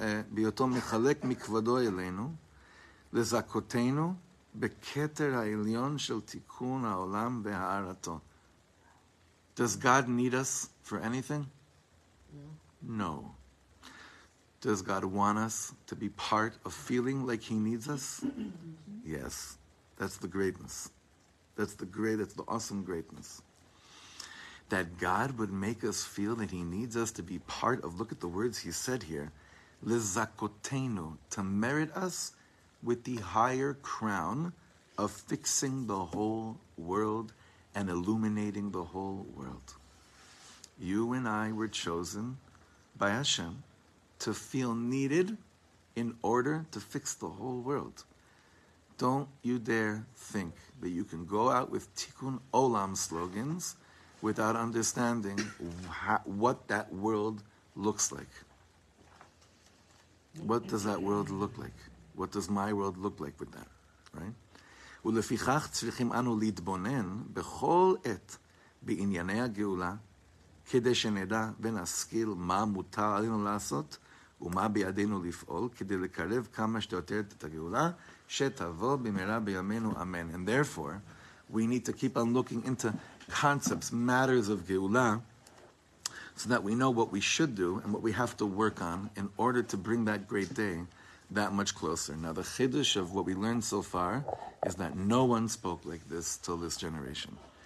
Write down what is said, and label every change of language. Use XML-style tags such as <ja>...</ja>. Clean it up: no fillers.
<he>ביותו מחלק מכבודו אלינו, לזכותנו בכתר העליון של תיקון העולם והארתו.</he> <en>Does God need us for anything? No. Does God want us to be part of feeling like he needs us? Yes. That's the greatness. That's the awesome greatness. That God would make us feel that he needs us to be part of, look at the words he said here, lezakotenu, to merit us with the higher crown of fixing the whole world and illuminating the whole world. You and I were chosen by Hashem to feel needed in order to fix the whole world. Don't you dare think that you can go out with Tikkun Olam slogans without understanding what that world looks like. What does that world look like? What does my world look like with that, right?</en> <he>ולפיכך צריכים אנו להתבונן בכל עת בענייני הגאולה כדי שנדע ונשכיל מה מותר עלינו לעשות ומה בידינו לפעול כדי לקרב כמה שיותר את הגאולה שתבוא במהרה בימינו אמן.</he> <en>And therefore, we need to keep on looking into concepts, matters of גאולה, so that we know what we should do and what we have to work on in order to bring that great day that much closer. Now, the chiddush of what we learned so far is that no one spoke like this till this generation.</en>